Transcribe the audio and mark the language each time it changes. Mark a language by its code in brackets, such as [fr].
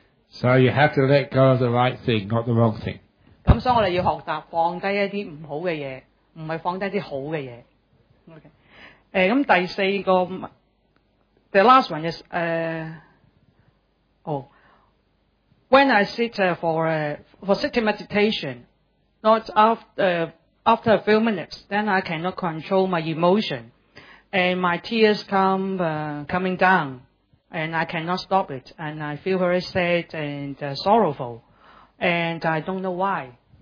[en] So you have to let go of the right thing, not the wrong thing. [yue] 咁所以我哋要學習放低一啲唔好嘅嘢，唔係放低一啲好嘅嘢。 [en] Okay. [yue] 咁第四個 [en] ，the last one is when I sit for sitting meditation, not after a few minutes, then I cannot control my emotion, and my tears coming down, and I cannot stop it, and I feel very sad and sorrowful, and I don't know why.